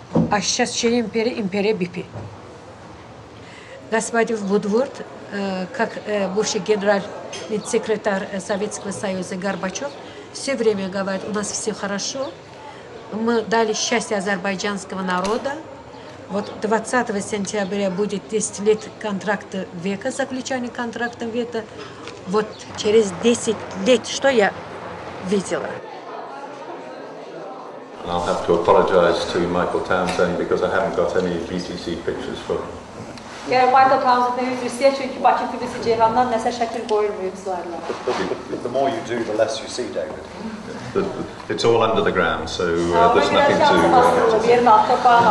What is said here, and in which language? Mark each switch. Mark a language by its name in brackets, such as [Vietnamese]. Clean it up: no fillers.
[Russian] А сейчас чья империя? Империя Бипи. Господин Вудворд, как бывший генеральный секретарь Советского Союза Горбачев, все время говорит, у нас все хорошо, мы дали счастье азербайджанского народа. Вот 20 сентября будет 10 лет контракта века, заключения контракта века. Вот через 10 лет, что я видела? [English] And I'll have to apologize to Michael Townsend because I haven't got any BTC pictures for him. Yeah, Michael Townsend, you just see, [Azerbaijani] çünkü Bakı TV'si Ceyhan'dan nəsə şəkil qoyulmuyor bizlərlə. [English] The more you do, the less you see, David. It's all under the ground, so there's nothing to do.